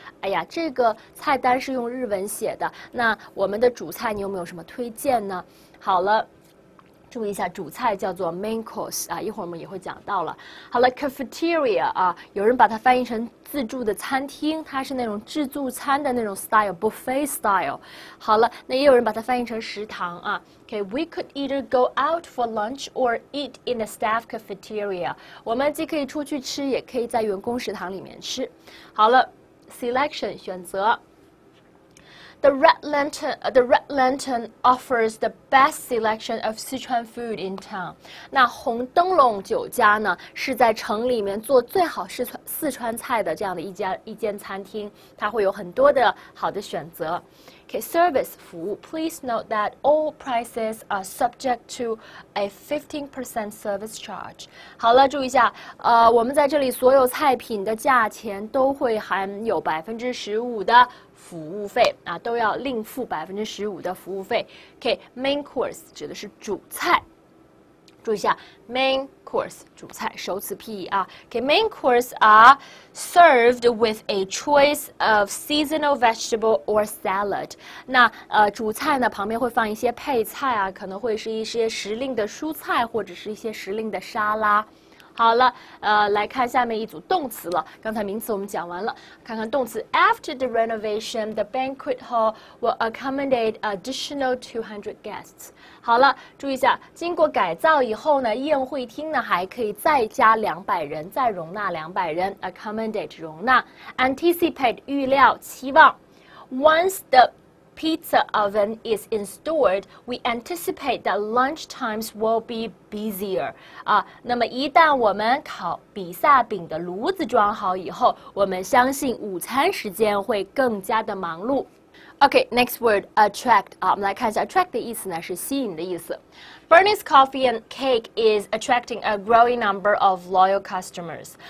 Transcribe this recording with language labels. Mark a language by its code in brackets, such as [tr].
[zh] 哎呀，这个菜单是用日文写的，那我们的主菜你有没有什么推荐呢？好了。注意一下，主菜叫做 main course 啊，一会儿我们也会讲到了。好了 ，cafeteria 啊，有人把它翻译成自助的餐厅，它是那种自助餐的那种 style buffet style。好了，那也有人把它翻译成食堂啊。 [en] Okay, we could either go out for lunch or eat in the staff cafeteria。 [zh] 我们既可以出去吃，也可以在员工食堂里面吃。好了 ，selection 选择。 [en] The Red Lantern offers the best selection of Sichuan food in town. [zh] 那红灯笼酒家呢，是在城里面做最好四川菜的这样的一间餐厅，它会有很多的好的选择。 [en] Okay, service 服务 ，please note that all prices are subject to a 15% service charge. [zh] 好了，注意一下，我们在这里所有菜品的价钱都会含有15%的服务费啊，都要另付15%的服务费。 Okay, main course 指的是主菜。注意一下 ，main course 主菜，首次 PE 啊。 [en] Okay, main course are served with a choice of seasonal vegetable or salad. [zh] 那主菜呢，旁边会放一些配菜啊，可能会是一些时令的蔬菜或者是一些时令的沙拉。好了，来看下面一组动词了。刚才名词我们讲完了，看看动词。 [en] After the renovation, the banquet hall will accommodate additional 200 guests. [zh] 好了，注意一下，经过改造以后呢，宴会厅呢还可以再加200人，再容纳200人。 Accommodate 容纳 ，anticipate 预料期望。 [en] Once the pizza oven is installed, we anticipate that lunch times will be busier. [zh] 啊，那么一旦我们烤比萨饼的炉子装好以后，我们相信午餐时间会更加的忙碌。 [en] Okay, next word, attract. [zh] 啊，我们来看一下 attract 的意思呢，是吸引的意思。 [en] Bernie's Coffee and Cake is attracting a growing number of loyal customers.